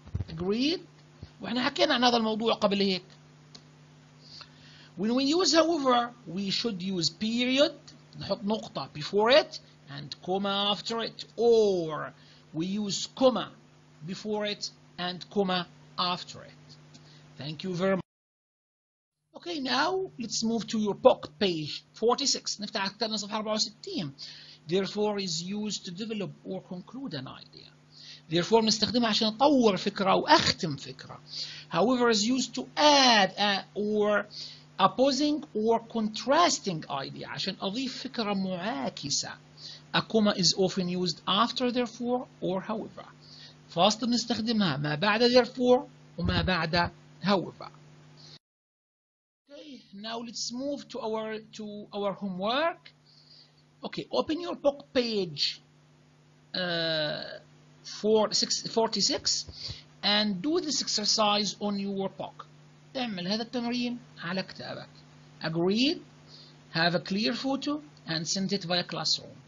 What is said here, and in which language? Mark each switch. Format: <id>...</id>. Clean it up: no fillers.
<en>Agreed؟</en> <ar>وإحنا حكينا عن هذا الموضوع قبل هيك.</ar> <en>When we use however we should use period</en> <ar>نحط نقطة</ar> <en>before it and comma after it or we use comma before it and comma after it. Thank you very much. Okay, now let's move to your book, page 46.</en> <ar>نفتح كتابنا صفحة 64.</ar> <en>Therefore is used to develop or conclude an idea.</en> <ar>Therefore نستخدمها عشان نطور فكرة أو أختم فكرة.</ar> <en>However is used to add or opposing or contrasting idea</en> <ar>عشان أضيف فكرة معاكسة.</ar> <en>A comma is often used after therefore or however.</en> <ar>فاصل بنستخدمها ما بعد therefore وما بعد however.</ar> <en>Okay, now let's move to our homework. Okay, open your book page 46 and do this exercise on your book.</en> <ar>اعمل هذا التمرين على كتابك.</ar> <en>Agreed? Have a clear photo and send it via classroom.</en>